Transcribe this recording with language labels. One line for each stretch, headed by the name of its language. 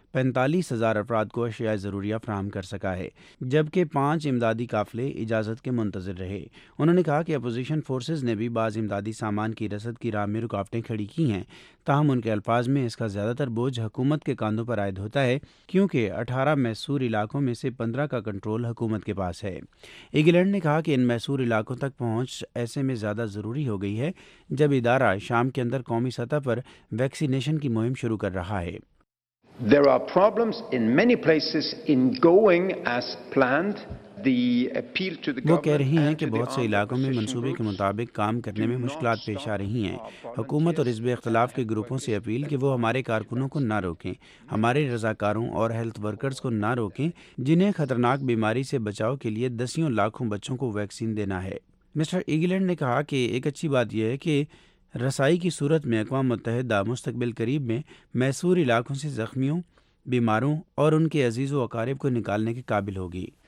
Urdu: 45,000 افراد کو اشیاء ضروریہ فراہم کر سکا ہے، جبکہ 5 امدادی قافلے اجازت کے منتظر رہے۔ انہوں نے کہا کہ اپوزیشن فورسز نے بھی بعض امدادی سامان کی رسد کی راہ میں رکاوٹیں کھڑی کی ہیں، تاہم ان کے الفاظ میں اس کا زیادہ تر بوجھ حکومت کے کاندھوں پر عائد ہوتا ہے، کیونکہ 18 محصور علاقوں میں سے 15 کا کنٹرول حکومت کے پاس ہے۔ ایگلینڈ نے کہا کہ ان محصور علاقوں تک پہنچ ایسے میں زیادہ ضروری ہو گئی ہے جب ادارہ شام کے اندر قومی سطح پر ویکسینیشن کی مہم شروع کر رہا ہے۔
English: There are problems in many places in going as planned.
Urdu: وہ کہہ رہی ہیں کہ بہت سے علاقوں میں منصوبے کے مطابق کام کرنے میں مشکلات پیش آ رہی ہیں۔ حکومت اور حزب اختلاف کے گروپوں سے اپیل کہ وہ ہمارے کارکنوں کو نہ روکیں، ہمارے رضاکاروں اور ہیلتھ ورکرز کو نہ روکیں جنہیں خطرناک بیماری سے بچاؤ کے لیے دسیوں لاکھوں بچوں کو ویکسین دینا ہے۔ مسٹر ایگلینڈ نے کہا کہ ایک اچھی بات یہ ہے کہ رسائی کی صورت میں اقوام متحدہ مستقبل قریب میں محصور علاقوں سے زخمیوں، بیماروں اور ان کے عزیز و اقارب کو نکالنے کے قابل ہوگی۔